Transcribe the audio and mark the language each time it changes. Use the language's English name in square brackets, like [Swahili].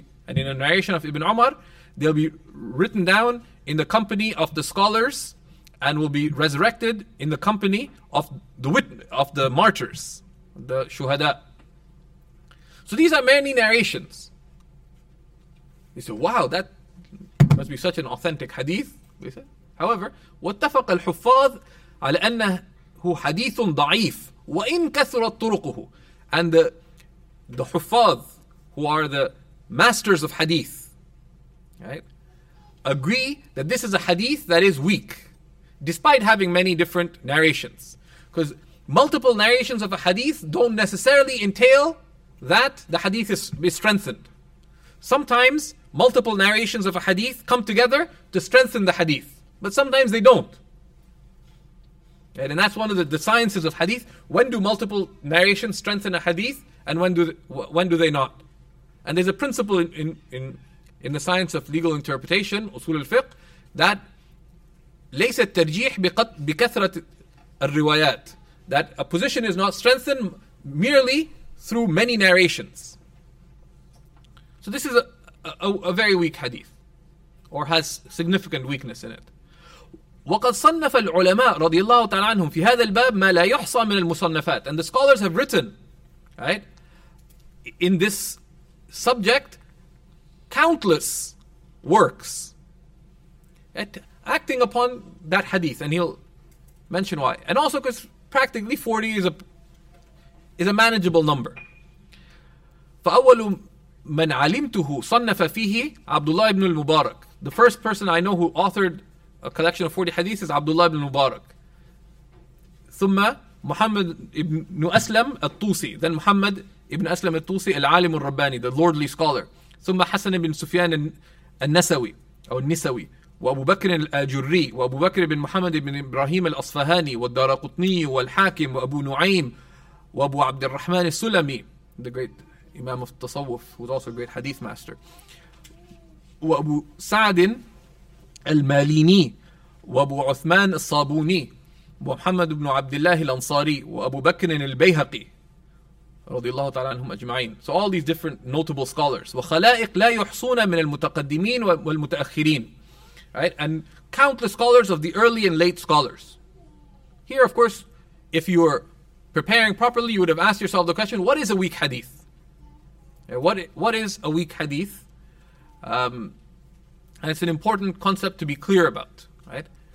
[English] And in a narration of Ibn Umar, they'll be written down in the company of the scholars and will be resurrected in the company of the martyrs, the shuhada. So these are many narrations. You say, wow, that must be such an authentic hadith. We say, however, [Arabic] وَاتَّفَقَ الْحُفَّاظِ عَلَى أَنَّهُ حَدِيثٌ ضَعِيفٌ وَإِن كَثُرَتْ طُرُقُهُ. [English] And the حُفَّاظ, who are the masters of hadith, right, agree that this is a hadith that is weak, despite having many different narrations. Because multiple narrations of a hadith don't necessarily entail that the hadith is strengthened. Sometimes multiple narrations of a hadith come together to strengthen the hadith, but sometimes they don't. And that's one of the sciences of hadith. When do multiple narrations strengthen a hadith, and when do they not? And there's a principle in the science of legal interpretation, usul al-fiqh, that [Arabic] ليس الترجيح بكثرة الروايات, [English] that a position is not strengthened merely through many narrations. So this is a very weak hadith, or has significant weakness in it. [Arabic] وقد صنف العلماء رضي الله تعالى عنهم في هذا الباب ما لا يحصى من المصنفات. [English] And the scholars have written, right, in this subject, countless works at acting upon that hadith. And he'll mention why. And also because practically 40 is a manageable number. [Arabic] فأول من علمته صنف فيه عبد الله بن المبارك. [English] The first person I know who authored a collection of 40 hadiths is Abdullah ibn Mubarak. [Arabic] ثم محمد ابن أسلم الطوسي. [English] Then [Arabic] محمد ابن أسلم الطوسي العالم الرباني, [English] the lordly scholar. [Arabic] ثم حسن بن سفيان النسوي أو النسوي وأبو بكر الجري وأبو بكر بن محمد بن إبراهيم الأصفهاني والدارقطني والحاكم وأبو نعيم وأبو عبد الرحمن السلمي, [English] the great Imam of Tasawwuf, who's also a great hadith master. [Arabic] وأبو سعد الماليني وأبو عثمان الصابوني ومحمد بن عبد الله الأنصاري وأبو بكر البيهقي رضي الله تعالى عنهم أجمعين. [English] So all these different notable scholars. [Arabic] وخلائق لا يحصون من المتقدمين والمتأخرين. [English] Right? And countless scholars of the early and late scholars. Here, of course, if you were preparing properly, you would have asked yourself the question, what is a weak hadith? What is a weak hadith? And it's an important concept to be clear about, right?